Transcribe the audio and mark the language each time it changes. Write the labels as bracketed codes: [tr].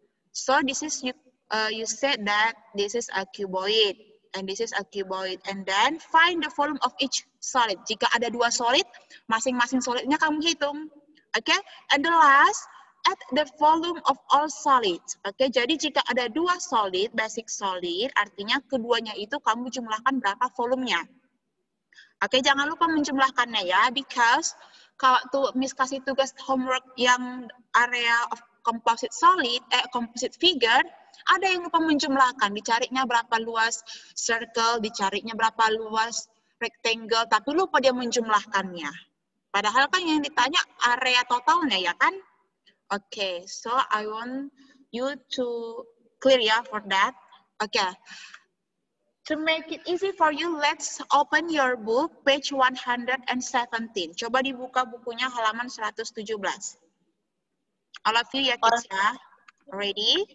[en] So this is you said that this is a cuboid and this is a cuboid, and then find the volume of each solid. [id] Jika ada dua solid, masing-masing solidnya kamu hitung. [en] Okay, and the last, add the volume of all solids. [id] Okay, jadi jika ada dua solid, [en] basic solid, [id] artinya keduanya itu kamu jumlahkan berapa volumenya. Okay, jangan lupa menjumlahkannya, ya, because kalau tuh Miss kasih tugas homework yang [en] area of composite solid, composite figure, [id] ada yang lupa menjumlahkan, dicarinya berapa luas circle, dicarinya berapa luas rectangle, tapi lupa dia menjumlahkannya. Padahal kan yang ditanya area totalnya, ya kan? [en] Okay, so I want you to clear, [id] ya, [en] for that. Okay. To make it easy for you, let's open your book, page 117. [id] Coba dibuka bukunya halaman 117. [en] All of you, [id] ya, [en] kids, [id] ya? [en] Ready?